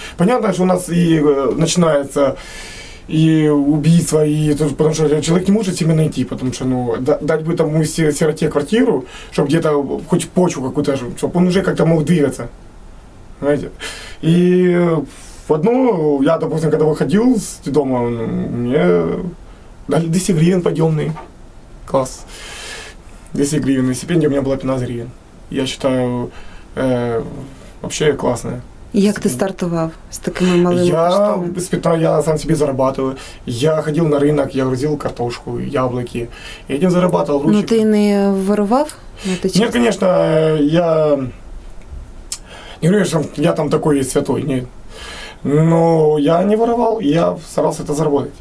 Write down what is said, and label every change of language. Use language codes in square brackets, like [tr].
[ru] Понятно, что у нас и начинается и убийство, и потому что человек не может себя найти, потому что, ну, дать бы тому сироте квартиру, чтобы где-то хоть почву какую-то, чтобы он уже как-то мог двигаться. Понимаете? И в одно, я, допустим, когда выходил с дома, ну, мне дали 10 гривен подъемные. Класс. 10 гривен. И стипендия у меня была 15 гривен. Я считаю, вообще классная. [uk] Як ти стартував з такими малими [ru] коштами? Я сам себе зарабатываю. Я ходил на ринок, я грузил картошку, яблоки. Я этим зарабатывал. [uk] Ну ти не воровав? Ні, конечно, я не говорю, що я там такой святой. Ні. [ru] Но я не воровал, я старался это заработать.